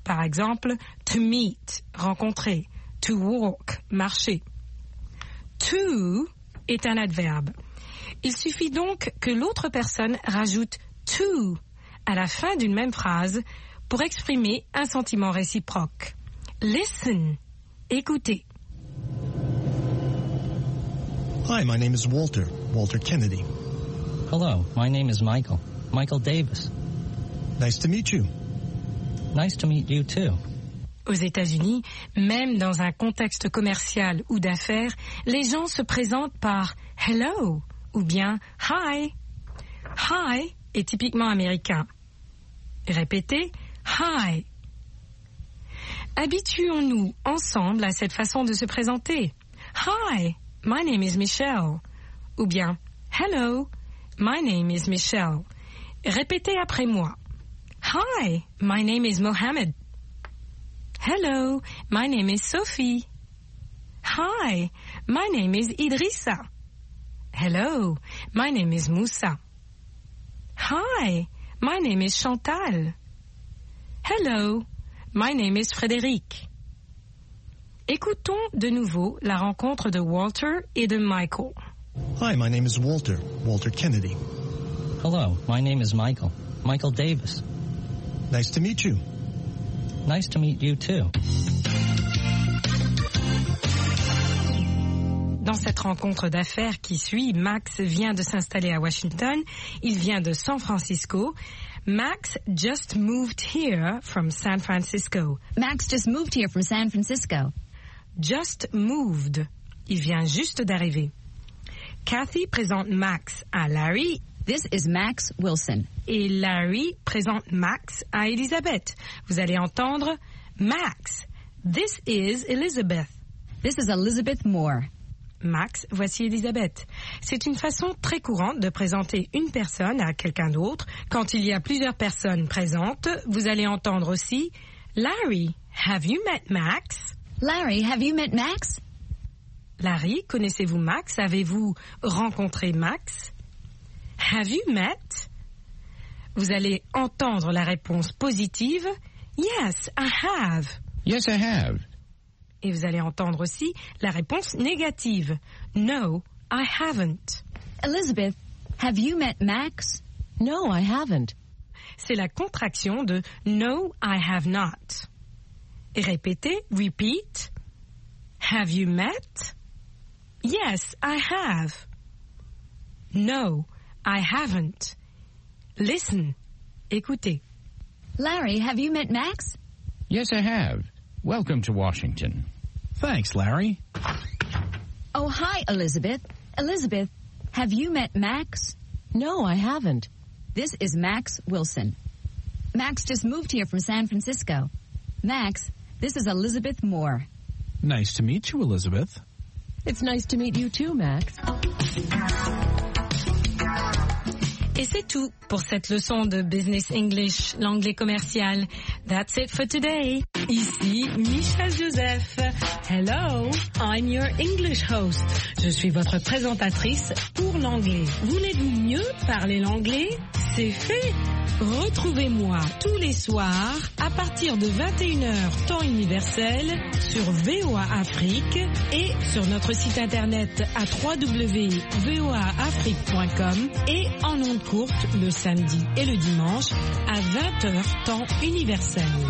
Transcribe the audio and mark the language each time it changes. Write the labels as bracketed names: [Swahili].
[French] Par exemple, to meet, rencontrer. To walk, marcher. To est un adverbe. Il suffit donc que l'autre personne rajoute to à la fin d'une même phrase pour exprimer un sentiment réciproque. [English] Listen, écoutez. Hi, my name is Walter, Walter Kennedy. Hello, my name is Michael, Michael Davis. Nice to meet you. Nice to meet you too. [French] Aux États-Unis, même dans un contexte commercial ou d'affaires, les gens se présentent par « hello » ou bien « hi ».« Hi » est typiquement américain. Répétez « hi ». Habituons-nous ensemble à cette façon de se présenter. [English] « Hi, my name is Michelle » [French] ou bien [English] « hello, my name is Michelle ». [French] Répétez après moi. [English] « Hi, my name is Mohammed ». Hello, my name is Sophie. Hi, my name is Idrissa. Hello, my name is Moussa. Hi, my name is Chantal. Hello, my name is Frédéric. [French] Écoutons de nouveau la rencontre de Walter et de Michael. [English] Hi, my name is Walter, Walter Kennedy. Hello, my name is Michael, Michael Davis. Nice to meet you. Nice to meet you too. [French] Dans cette rencontre d'affaires qui suit, Max vient de s'installer à Washington. Il vient de San Francisco. [English] Max just moved here from San Francisco. Max just moved here from San Francisco. Just moved. [French] Il vient juste d'arriver. Kathy présente Max à Larry. [English] This is Max Wilson. [French] Et Larry présente Max à Elizabeth. Vous allez entendre Max. [English] This is Elizabeth. This is Elizabeth Moore. [French] Max, voici Elizabeth. C'est une façon très courante de présenter une personne à quelqu'un d'autre. Quand il y a plusieurs personnes présentes, vous allez entendre aussi [English] Larry, have you met Max? Larry, have you met Max? [French] Larry, connaissez-vous Max? Avez-vous rencontré Max? [English] Have you met? [French] Vous allez entendre la réponse positive. [English] Yes, I have. Yes, I have. [French] Et vous allez entendre aussi la réponse négative. [English] No, I haven't. Elizabeth, have you met Max? No, I haven't. [French] C'est la contraction de [English] no, I have not. [French] Et répétez, [English] repeat. Have you met? Yes, I have. No, I haven't. Listen. [French] Écoutez. [English] Larry, have you met Max? Yes, I have. Welcome to Washington. Thanks, Larry. Oh, hi, Elizabeth. Elizabeth, have you met Max? No, I haven't. This is Max Wilson. Max just moved here from San Francisco. Max, this is Elizabeth Moore. Nice to meet you, Elizabeth. It's nice to meet you too, Max. [French] Et c'est tout pour cette leçon de Business English, l'anglais commercial. [English] That's it for today. [French] Ici [English] Michel Joseph. Hello, I'm your English host. [French] Je suis votre présentatrice pour l'anglais. Voulez-vous mieux parler l'anglais? C'est fait! Retrouvez-moi tous les soirs à partir de 21h temps universel sur VOA Afrique et sur notre site internet à www.voaafrique.com et en ondes courtes le samedi et le dimanche à 20h temps universel.